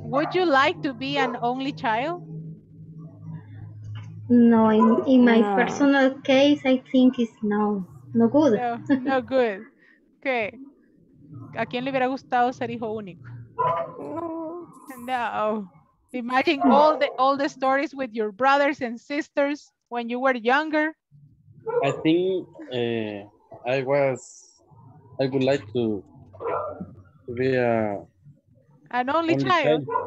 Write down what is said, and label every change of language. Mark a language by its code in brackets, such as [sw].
[en] Would you like to be an only child? No. In my personal case, I think it's no good. No good. Okay. [es] ¿A quién le hubiera gustado ser hijo único? No. [en] Imagine all the stories with your brothers and sisters when you were younger. I think I would like to be an only child.